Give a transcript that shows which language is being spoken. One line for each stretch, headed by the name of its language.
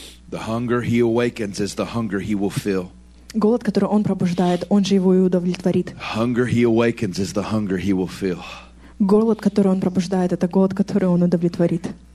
English: The hunger he awakens is the hunger he will fill.
Russian: Голод, который он пробуждает, он же его и удовлетворит.
English: Hunger he awakens is the hunger he will feel.
Russian: Голод, который он пробуждает, это голод, который он удовлетворит.